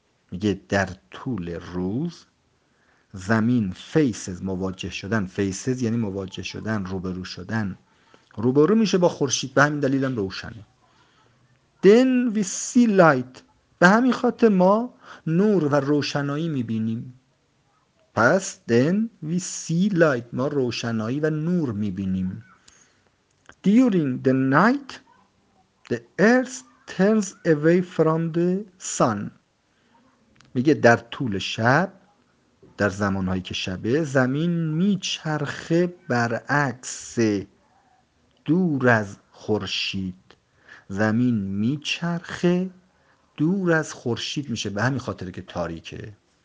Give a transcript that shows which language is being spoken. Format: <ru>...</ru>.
<fa>میگه در طول روز زمین faces، مواجه شدن، faces یعنی مواجه شدن، روبرو شدن، روبرو میشه با خورشید، به همین دلیل هم روشنه.</fa> <en>Then we see light،</en> <fa>به همین خاطر ما نور و روشنایی میبینیم. پس</fa> <en>then we see light،</en> <fa>ما روشنایی و نور میبینیم.</fa> <en>During the night the earth turns away from the sun.</en> <fa>میگه در طول شب، در زمانهایی که شبه، زمین میچرخه برعکس، دور از خورشید. زمین میچرخه دور از خورشید میشه، به همین خاطر که تاریکه.</fa>